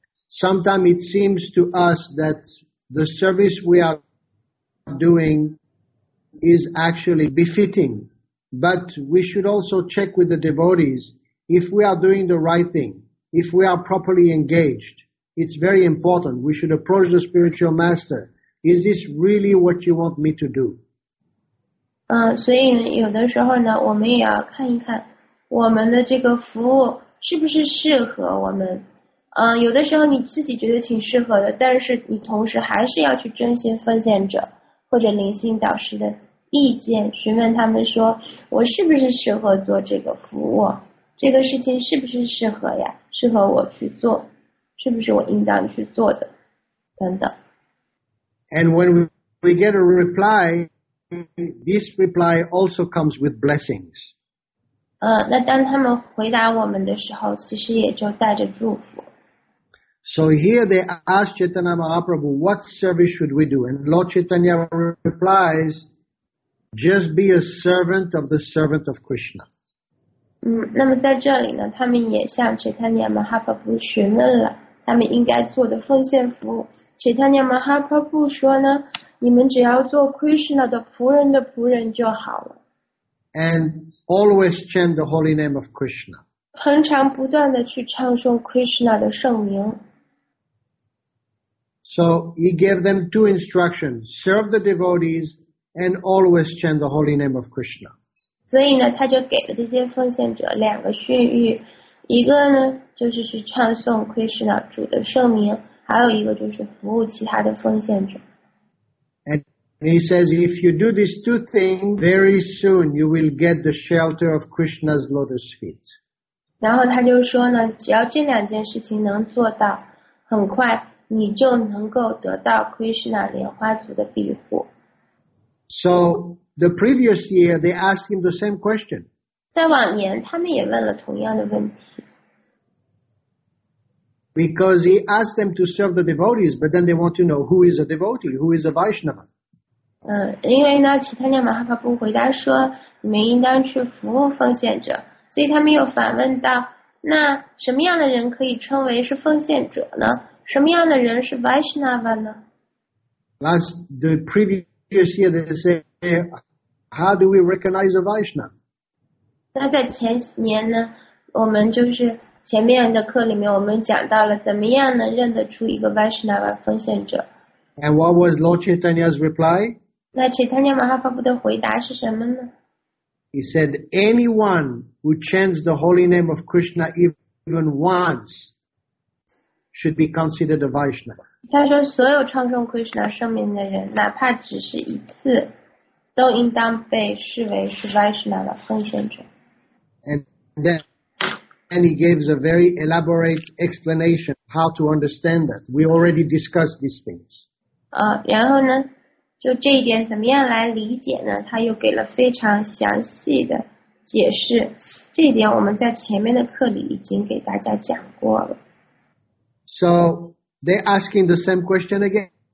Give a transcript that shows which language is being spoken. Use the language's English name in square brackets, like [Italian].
[English] ？Sometimes it seems to us that the service we are doing is actually befitting, but we should also check with the devotees if we are doing the right thing, if we are properly engaged. It's very important. We should approach the spiritual master. Is this really what you want me to do? [Chinese] 所以有的时候呢，我们也要看一看我们的这个服务是不是适合我们。有的时候你自己觉得挺适合的，但是你同时还是要去征询奉献者或者灵性导师的意见，询问他们说我是不是适合做这个服务，这个事情是不是适合呀，适合我去做，是不是我应当去做的等等。 [English] And when we get a replyThis reply also comes with blessings. [Chinese] 那当他们回答我们的时候，其实也就带着祝福。 [English] So here they ask Chaitanya Mahaprabhu, "What service should we do?" And Lord Chaitanya replies, "Just be a servant of the servant of Krishna." [Chinese] 那么在这里呢，他们也向 Chaitanya Mahaprabhu 询问了他们应该做的奉献服务。 Chaitanya Mahaprabhu 说呢。你们只要做 Krishna 的仆人的仆人就好了。 [English] And always chant the holy name of Krishna. [Chinese] 恒常不断地去唱诵 Krishna 的圣名。 [English] So he gave them two instructions, serve the devotees and always chant the holy name of Krishna. [Chinese] 所以呢，他就给了这些奉献者两个训谕，一个呢，就是去唱诵 Krishna 主的圣名，还有一个就是服务其他的奉献者。 [English] And And he says, if you do these two things, very soon you will get the shelter of Krishna's lotus feet. [Chinese] 然后他就说呢，只要这两件事情能做到，很快你就能够得到 Krishna 莲花足的庇护。 [English] So the previous year they asked him the same question. [Chinese] 在往年他们也问了同样的问题。 [English] Because he asked them to serve the devotees, but then they want to know who is a devotee, who is a Vaishnava. [Chinese] 因为呢，其他两马哈巴布回答说，你们应当去服务奉献者。所以他们又反问道，那什么样的人可以称为是奉献者呢？什么样的人是 Vaishnava 呢？ [English] The previous year they say, how do we recognize a Vaishnava? [Chinese] 那在前年呢，我们就是前面的课里面我们讲到了怎么样能认得出一个 Vaishnava 奉献者。 [English] And what was Lord Chaitanya's reply? [Chinese] 那 Chaitanya Mahaprabhu 的回答是什么呢？ [English] He said, anyone who chants the holy name of Krishna even once should be considered a Vaishnava. [Chinese] 他说所有唱诵 Krishna 圣名的人哪怕只是一次都应当被视为是 Vaishnava 奉献者。 [English] And then he gives a very elaborate explanation how to understand that. We already discussed these things. [Chinese] 然后呢就这一点怎么样来理解呢？他又给了非常详细的解释。这一点我们在前面的课里已经给大家讲过了。 [English] So they're asking the same question again.